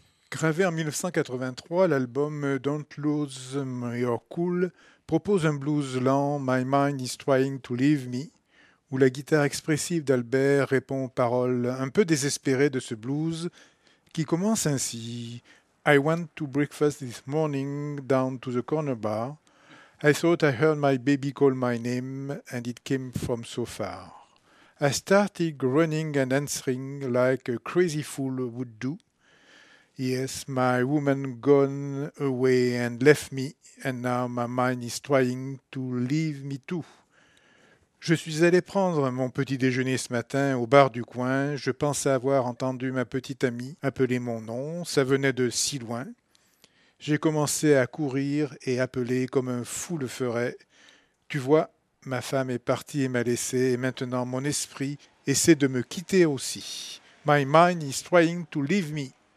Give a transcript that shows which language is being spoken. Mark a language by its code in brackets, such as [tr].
[fr] Gravé en 1983, l'album Don't Lose My Cool propose un blues lent, My Mind is Trying to Leave Me, où la guitare expressive d'Albert répond aux paroles un peu désespérées de ce blues qui commence ainsi. [en] I went to breakfast this morning down to the corner bar. I thought I heard my baby call my name and it came from so far. I started running and answering like a crazy fool would do. Yes, my woman gone away and left me, and now my mind is trying to leave me too. [fr] Je suis allé prendre mon petit déjeuner ce matin au bar du coin. Je pensais avoir entendu ma petite amie appeler mon nom. Ça venait de si loin. J'ai commencé à courir et appeler comme un fou le ferait. Tu vois, ma femme est partie et m'a laissé, et maintenant mon esprit essaie de me quitter aussi. [en] My mind is trying to leave me.